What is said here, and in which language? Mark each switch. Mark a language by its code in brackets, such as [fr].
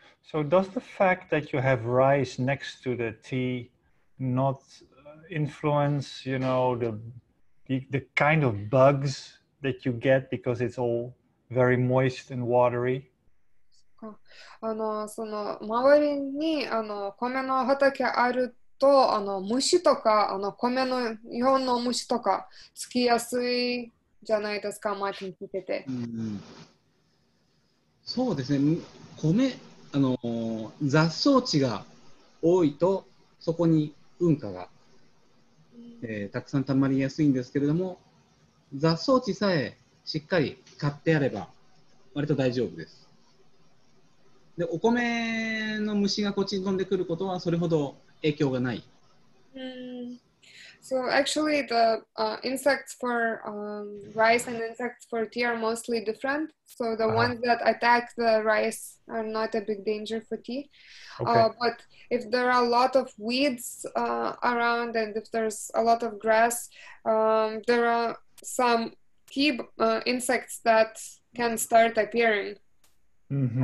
[en] So, does the fact that you have rice next to the tea not influence, you know, the kind of bugs that you get because it's all very moist and watery? [ja] その周りに米の畑あると虫とか米の日本の虫とかつきやすいじゃないですか、マーティン聞いてて。そうですね、米雑草地が多いとそこに運河がたくさんたまりやすいんですけれども、雑草地さえしっかり刈ってあれば割と大丈夫です。で、お米の虫がこっちに飛んでくることはそれほど影響がない。 [en] So actually the insects for rice and insects for tea are mostly different. So the ones that attack the rice are not a big danger for tea. Okay. But if there are a lot of weeds around and if there's a lot of grass, there are some tea insects that can start appearing. Mm-hmm.